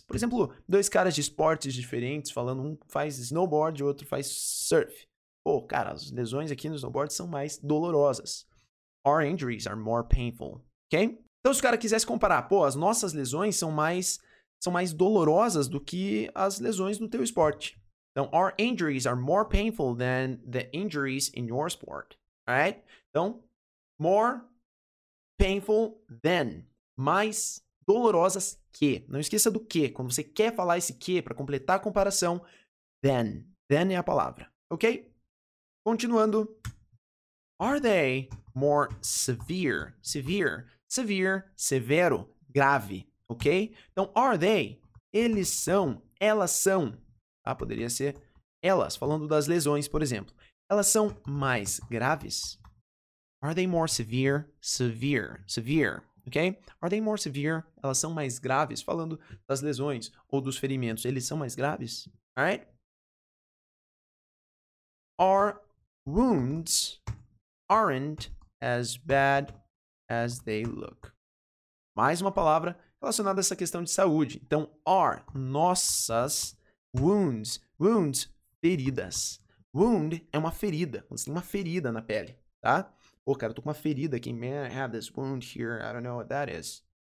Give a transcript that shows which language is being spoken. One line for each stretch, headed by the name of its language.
Portuguese: Por exemplo, dois caras de esportes diferentes falando, um faz snowboard e o outro faz surf. Pô, cara, as lesões aqui no snowboard são mais dolorosas.
English: Our injuries are more painful.
Portuguese: Ok? Então, se o cara quisesse comparar, pô, as nossas lesões são mais dolorosas do que as lesões no teu esporte.
English: Então, our injuries are more painful than the injuries in your sport. Alright? Então, more painful than. Mais
Portuguese: dolorosas que. Não esqueça do que. Quando você quer falar esse que para completar a comparação, then. Then é a palavra. Ok? Continuando.
English: Are they more severe? Severe. Severe.
Portuguese: Severo. Grave.
English: Ok? Então, are they?
Portuguese: Eles são. Elas são. Ah, poderia ser elas. Falando das lesões, por exemplo. Elas são mais graves?
English: Are they more severe? Severe. Severe. Ok? Are they more severe?
Portuguese: Elas são mais graves? Falando das lesões ou dos ferimentos. Eles são mais graves? Alright?
English: Our wounds aren't as bad as they look.
Portuguese: Mais uma palavra relacionada a essa questão de saúde. Então, are nossas wounds. Wounds, feridas. Wound é uma ferida. Você tem uma ferida na pele, tá? Pô, cara, eu tô com uma ferida aqui.
English: Man, I have this wound here. I don't know what that is.